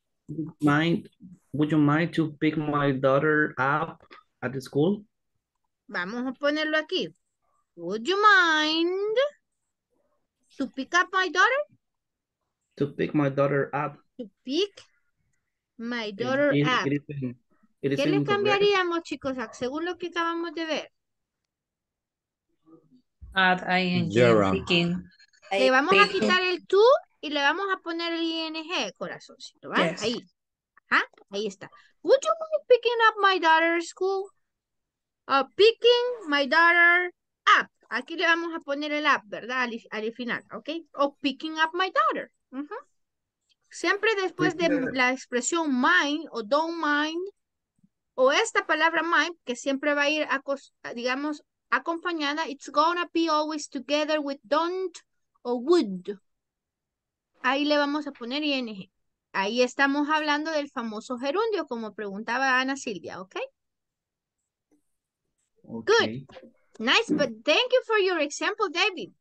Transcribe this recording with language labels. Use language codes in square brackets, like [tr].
[en] Would you mind to pick my daughter up at the school? [es] Vamos a ponerlo aquí. [en] Would you mind to pick up my daughter? To pick my daughter up. To pick my daughter app. [es] ¿Qué le cambiaríamos, chicos, según lo que acabamos de ver? [en] Add ing. [es] Le vamos a quitar el to y le vamos a poner el ing, corazoncito, ¿va? [en] Yes. [es] Ahí. Ajá, ahí está. [en] Would you mind picking up my daughter's school? Picking my daughter up. [es] Aquí le vamos a poner el up, ¿verdad? Al final, ¿ok? [en] Oh, picking up my daughter. [es] Siempre después de la expresión mind o don't mind, o esta palabra mind, que siempre va a ir, digamos, acompañada, [en] it's gonna be always together with don't [es] o [en] would. [es] Ahí le vamos a poner ing. Ahí estamos hablando del famoso gerundio, como preguntaba Ana Silvia, ¿ok? [en] Good. Nice, but thank you for your example, David.